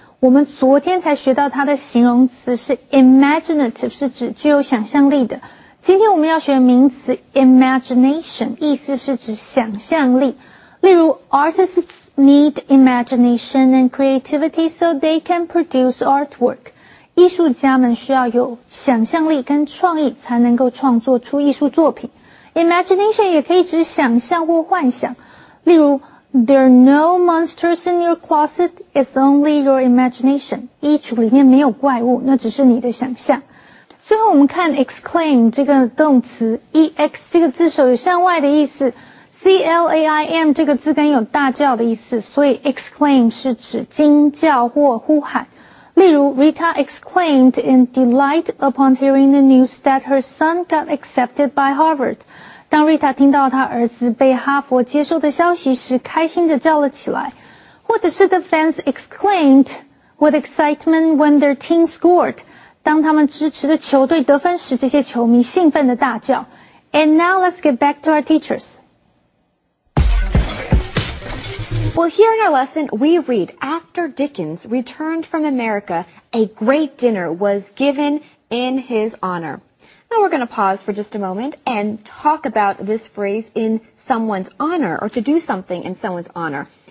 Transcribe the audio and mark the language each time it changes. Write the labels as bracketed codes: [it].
[zh] 我们昨天才学到它的形容词是 imaginative, 是指具有想象力的。今天我们要学名词 imagination, 意思是指想象力。例如 [en] ,artists need imagination and creativity so they can produce artwork. [zh] 艺术家们需要有想象力跟创意才能够创作出艺术作品。 imagination 也可以指想象或幻想。例如 [en] There are no monsters in your closet, it's only your imagination. [zh] 衣橱里面没有怪物，那只是你的想象。最后我们看 exclaim 这个动词 ,ex 这个字首有向外的意思， CLAIM 这个字根有大叫的意思，所以 exclaim 是指惊叫或呼喊。例如 [en] Rita exclaimed in delight upon hearing the news that her son got accepted by Harvard. [zh] 当 Rita 听到她儿子被哈佛接受的消息时，开心地叫了起来。或者是 [en] the fans exclaimed with excitement when their team scored. [zh] 当他们支持的球队得分时，这些球迷兴奋地大叫。 [en] And now let's get back to our teachers. Well, here in our lesson, we read, after Dickens returned from America, a great dinner was given in his honor. Now we're going to pause for just a moment and talk about this phrase in someone's honor or to do something in someone's honor.